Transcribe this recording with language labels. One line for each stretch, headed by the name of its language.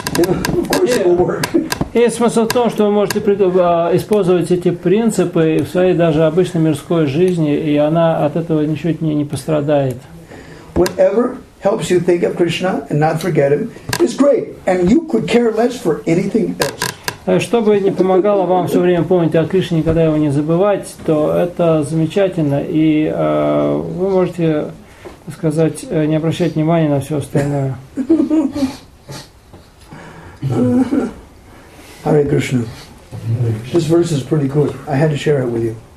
English: Of course it will work.
Russian: Есть смысл в том, что вы можете использовать эти принципы в своей даже обычной мирской жизни, и она от этого ничуть не пострадает.
English: Whatever helps you think of Krishna and not forget him is great, and you could care less for anything else.
Russian: Что бы ни помогало вам все время помнить о Кришне, никогда его не забывать, то это замечательно, и вы можете сказать, не обращать внимания на все остальное.
English: Hare Krishna. This verse is pretty good. I had to share it with you.